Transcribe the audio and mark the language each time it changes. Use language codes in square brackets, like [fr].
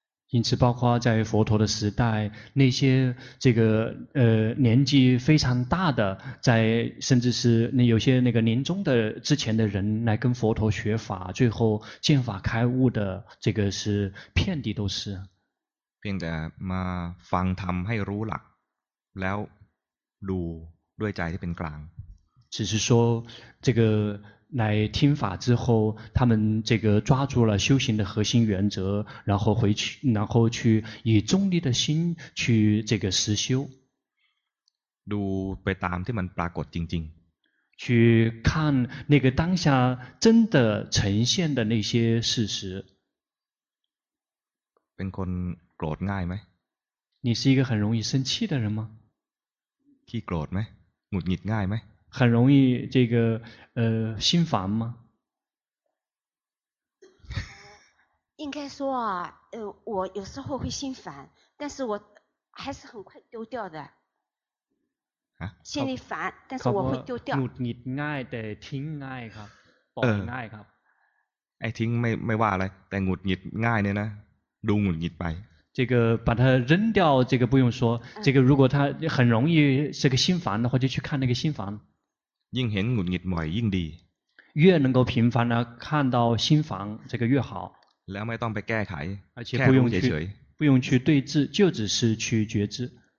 [zh] 因此包括在佛陀的时代那些这个年纪非常大的在甚至是那有些那个年终的之前的人来跟佛陀学法最后见法开悟的这个是遍地都是 [th] เพียงแต่มาฟังธรรมให้รู้หลักแล้วดูด้วยใจที่เป็นกลาง [zh] 只是说这个来听法之后他们这个抓住了修行的核心原则然后回去然后去以中立的心去这个实修 [th] ดูไปตามที่มันปรากฏจริง [zh] ๆ去看那个当下真的呈现的那些事实 [th] เป็นคนโกรธง่ายไหม [zh] 你是一个很容易生气的人吗 [th] ขี้โกรธไหมหงุดหงิดง่ายไหม [zh] 很容易这个心烦吗应该说啊我有时候会心烦但是我还是很快丢掉的心里烦但是我会丢掉 [th] หงุดหงิดง่ายแต่ทิ้งง่ายครับปล่อยง่ายครับ ไอ้ทิ้งไม่ว่าอะไรแต่หงุดหงิดง่ายเนี่ยนะดูหงุดหงิดไป [zh] 这个把它扔掉这个不用说这个如果他很容易这个心烦的话就去看那个心烦 [th] ยิ่งเห็นหงุดหงิดบ่อยยิ่งดี [zh] 越能够频繁的看到心烦这个越好 [th] แล้วไม่ต้องไปแก้ไข [zh] แค่不用去不用去对治就只是去觉知